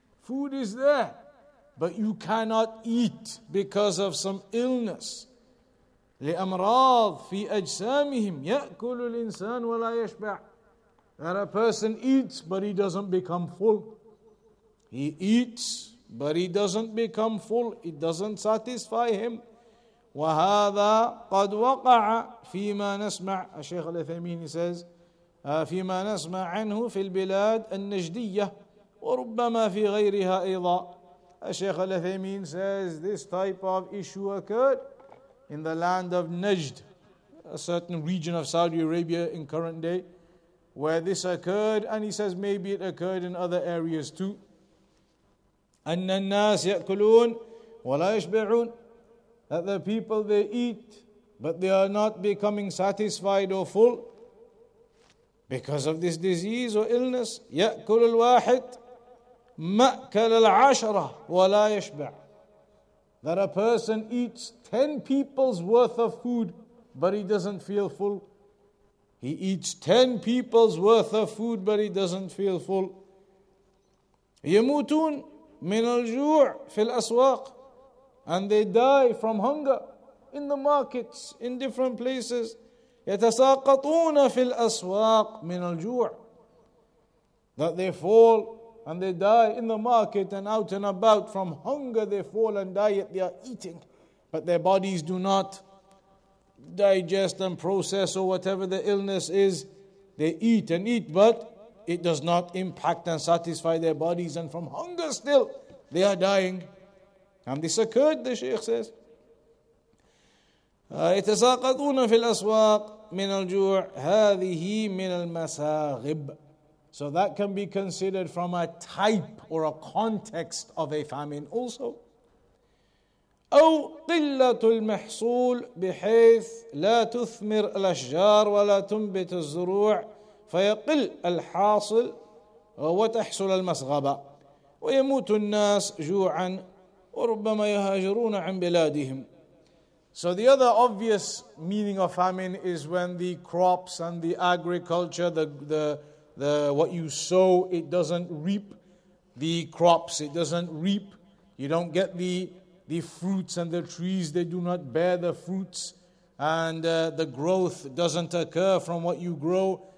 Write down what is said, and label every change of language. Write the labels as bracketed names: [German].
[English] Food is there, but you cannot eat because of some illness. [Arabic] لِأَمْرَاضِ فِي أَجْسَامِهِمْ يَأْكُلُ الْإِنسَانُ وَلَا يَشْبَعُ, [English] that a person eats, but he doesn't become full. He eats, but he doesn't become full. It doesn't satisfy him. [Arabic] وَهَذَا قَدْ وَقَعَ فِيمَا نَسْمَعُ, [English] as Shaykh al-Uthaymeen says, [Arabic] فِيمَا نَسْمَعُ عَنْهُ فِي الْبِلَادِ النَّجْدِيَّةِ وَرُبَّمَا فِي غَيْرِهَا أَيْضًا. [English] As Shaykh al-Uthaymeen says, this type of issue occurred in the land of Najd, a certain region of Saudi Arabia in current day, where this occurred, and he says maybe it occurred in other areas too. [Arabic] أَنَّ النَّاسِ يَأْكُلُونَ وَلَا يَشْبِعُونَ, [English] that the people, they eat, but they are not becoming satisfied or full because of this disease or illness. [Arabic] يَأْكُلُ الْوَاحِدُ مَأْكَلَ الْعَشْرَةِ وَلَا يَشْبِعُ, [English] that a person eats 10 people's worth of food, but he doesn't feel full. He eats 10 people's worth of food, but he doesn't feel full. [Arabic] يموتون من الجوع في الأسواق, [English] and they die from hunger in the markets, in different places. [Arabic] يتساقطون في الأسواق من الجوع, [English] that they fall and they die in the market and out and about. From hunger they fall and die, yet they are eating. But their bodies do not digest and process or whatever the illness is. They eat and eat, but it does not impact and satisfy their bodies. And from hunger still, they are dying. And this occurred, the Sheikh says. [Arabic] يتساقطون في الأسواق من الجوع هذه من المساغب. [English] So that can be considered from a type or a context of a famine also. [Arabic] أو قلة المحصول بحيث لا تثمر الأشجار ولا تنبت الزروع فيقل الحاصل وتحصل المسغبة ويموت الناس جوعا وربما يهاجرون عن بلادهم. [English] So the other obvious meaning of famine is when the crops and the agriculture, the what you sow, it doesn't reap the crops, it doesn't reap. You don't get the fruits and the trees, they do not bear the fruits, and the growth doesn't occur from what you grow.